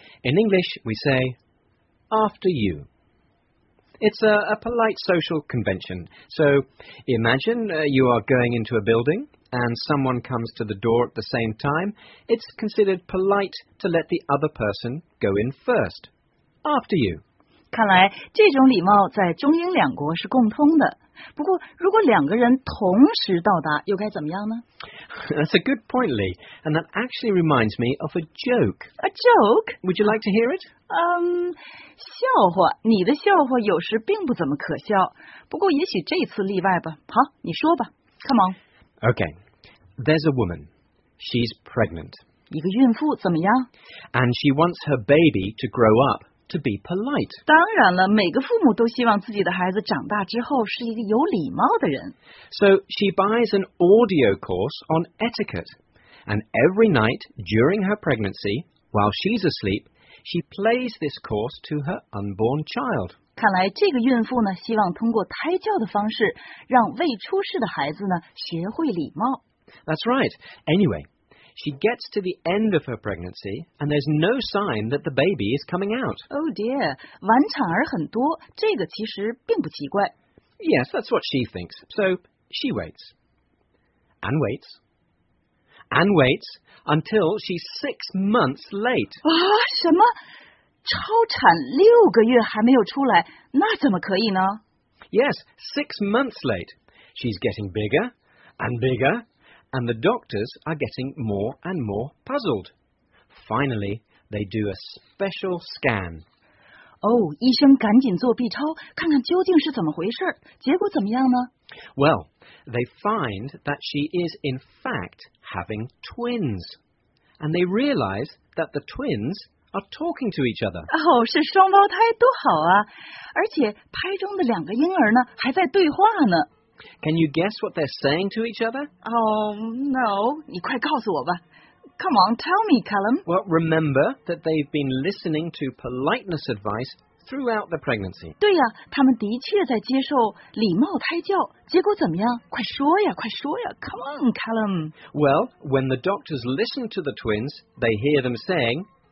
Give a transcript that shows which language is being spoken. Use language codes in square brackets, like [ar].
[en] In English, we say, after you. It's a polite social convention. So, imagine, you are going into a building... and someone comes to the door at the same time, it's considered polite to let the other person go in first, after you. [zh] 看来这种礼貌在中英两国是共通的。不过如果两个人同时到达又该怎么样呢? [en] That's a good point, Lee. And that actually reminds me of a joke. A joke? Would you like to hear it? [zh] 笑话。你的笑话有时并不怎么可笑。不过也许这次例外吧。好，你说吧。 Come on. [en] Okay, there's a woman. She's pregnant. [zh] 一个孕妇怎么样? [en] And she wants her baby to grow up to be polite. [zh] 当然了，每个父母都希望自己的孩子长大之后是一个有礼貌的人。 [en] So she buys an audio course on etiquette. And every night during her pregnancy, while she's asleep, she plays this course to her unborn child. [zh] 看来这个孕妇呢，希望通过胎教的方式，让未出世的孩子呢学会礼貌。 [en] That's right. Anyway, she gets to the end of her pregnancy, and there's no sign that the baby is coming out. [zh] Oh dear, 晚产儿很多，这个其实并不奇怪。 [en] Yes, that's what she thinks. So she waits and waits and waits until she's 6 months late. [zh] 啊，什么？超产六个月还没有出来，那怎么可以呢? [en] Yes, 6 months late. She's getting bigger and bigger, and the doctors are getting more and more puzzled. Finally, they do a special scan. [zh] Oh, 医生赶紧做 B 超，看看究竟是怎么回事，结果怎么样呢? [en] Well, they find that she is in fact having twins. And they realize that the twins... are talking to each other. [zh] Oh, 是双胞胎多好啊。而且胎中的两个婴儿呢还在对话呢。 [en] Can you guess what they're saying to each other? Oh, no. 你快告诉我吧。 Come on, tell me, Callum. Well, remember that they've been listening to politeness advice throughout the pregnancy. [zh] 对呀、啊、他们的确在接受礼貌胎教。结果怎么样快说呀快说呀。 [en] Come on, Callum. Well, when the doctors listen to the twins, they hear them saying...